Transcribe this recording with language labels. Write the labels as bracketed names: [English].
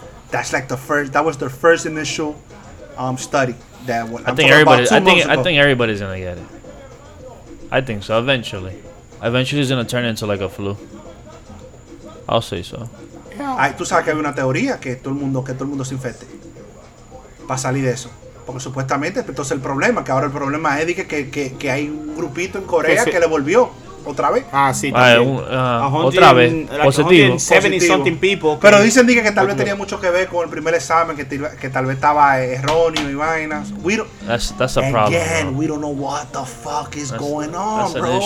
[English] That's like the first, that was their first initial study. I think everybody's going to get it. I think so. Eventually. Eventually it's going to turn into like a flu. I'll say so. [Spanish] Ay, tú sabes que hay una teoría que todo el mundo se infecte para salir de eso. Porque supuestamente, entonces el problema, que ahora el problema es que hay un grupito en Corea que le volvió otra vez. Ah, sí, también. Otra vez, positivo. [English] 70-something people. [Spanish] Pero dicen que tal vez tenía mucho que ver con el primer examen, que tal vez estaba erróneo y vainas. [English] That's a problem. Again, we don't know what the fuck is going on, bro.